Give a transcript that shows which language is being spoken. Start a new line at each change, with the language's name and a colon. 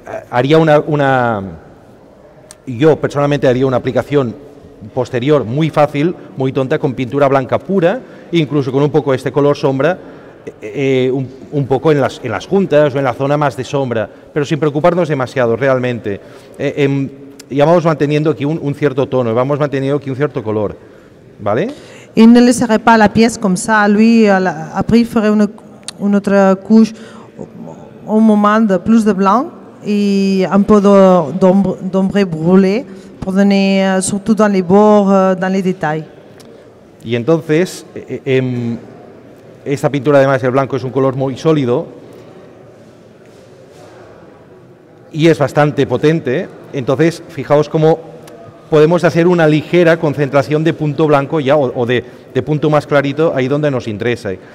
Spanish: Haría una... Yo, personalmente, haría una aplicación posterior muy fácil, muy tonta, con pintura blanca pura, incluso con un poco este color sombra, un poco en las juntas o en la zona más de sombra, pero sin preocuparnos demasiado, realmente. Ya vamos manteniendo aquí un cierto tono, vamos manteniendo aquí un cierto color, ¿vale?
French: Il ne laisserait pas la pièce comme ça. Lui, après, il ferait une autre couche au moment de plus de blanc et un peu d'ombre brûlée pour donner, surtout dans les bords, dans les détails.
Spanish: Y entonces, esta pintura, además, el blanco es un color muy sólido y es bastante potente. Entonces, fijaos cómo podemos hacer una ligera concentración de punto blanco ya o de punto más clarito ahí donde nos interesa.